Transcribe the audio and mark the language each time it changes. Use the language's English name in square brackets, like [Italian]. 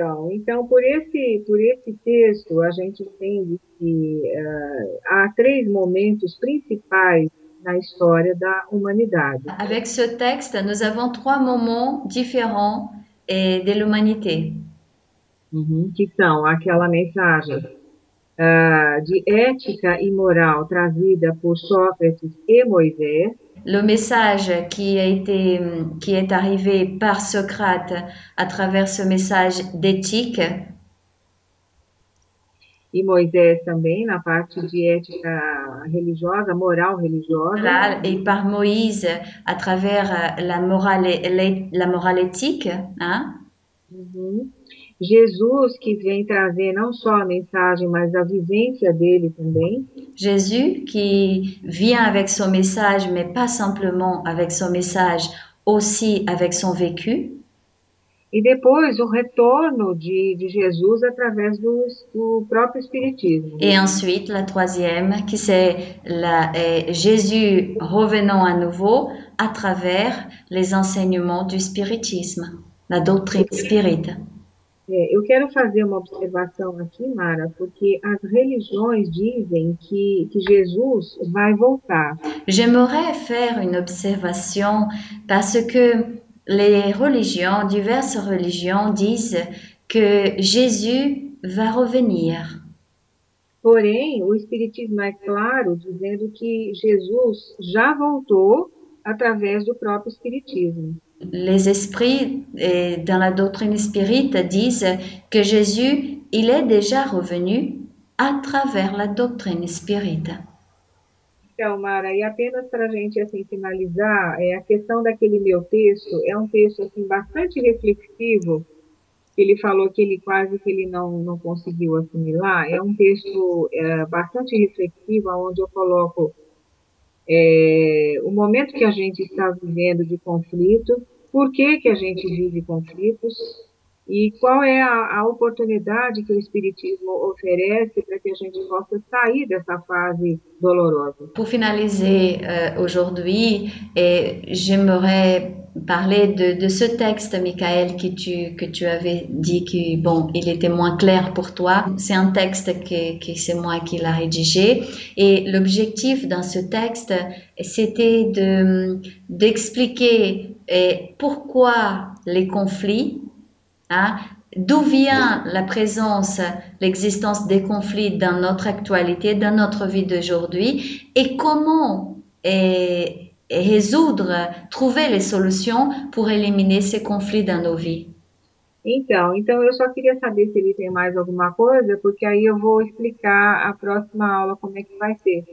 [Portuguese] Então, por esse texto, a gente entende que há três momentos principais na história da humanidade. [French] Avec ce texte, nous avons trois moments différents de l'humanité. [Portuguese] Que são aquela mensagem de ética e moral trazida por Sócrates e Moisés. [French] Le message qui est arrivé par Socrate à travers ce message d'éthique. [Portuguese] E Moisés também na parte de ética religiosa, moral religiosa. [French] Et par Moïse à travers la morale éthique, hein? [Portuguese] Jesus que vem trazer não só a mensagem, mas a vivência dele também. [French] Jésus qui vient avec son message, mais pas simplement avec son message, aussi avec son vécu. [Portuguese] E depois o retorno de Jesus através do próprio Espiritismo. [French] Et ensuite, la troisième, qui c'est Jésus revenant à nouveau à travers les enseignements du spiritisme, la doctrine spirite. [Portuguese] Eu quero fazer uma observação aqui, Mara, porque as religiões dizem que Jesus vai voltar. [French] J'aimerais faire une observation parce que les religions, diverses religions, disent que Jésus va revenir. [Portuguese] Porém, o Espiritismo é claro, dizendo que Jesus já voltou através do próprio Espiritismo. [French] Les esprits dans la doctrine spirite disent que Jésus, il est déjà revenu à travers la doctrine spirite. [Portuguese] Então, Mara, e apenas para a gente assim, finalizar, a questão daquele meu texto é um texto assim, bastante reflexivo, ele falou que ele quase que ele não conseguiu assimilar. É um texto bastante reflexivo, onde eu coloco o momento que a gente está vivendo de conflito, por que que a gente vive conflitos e qual é a oportunidade que o Espiritismo oferece para que a gente possa sair dessa fase dolorosa. [French] Pour finaliser aujourd'hui, j'aimerais parler de ce texte, Michael, que tu avais dit que bon, il était moins clair pour toi. C'est un texte que c'est moi qui l'a rédigé. Et l'objectif dans ce texte, c'était d'expliquer pourquoi les conflits, hein, d'où vient la présence, l'existence des conflits dans notre actualité, dans notre vie d'aujourd'hui, et comment résoudre, trouver les solutions pour éliminer ces conflits dans nos vies. [Portuguese] Então, eu só queria saber se ele tem mais alguma coisa, porque aí eu vou explicar a próxima aula como é que vai ser.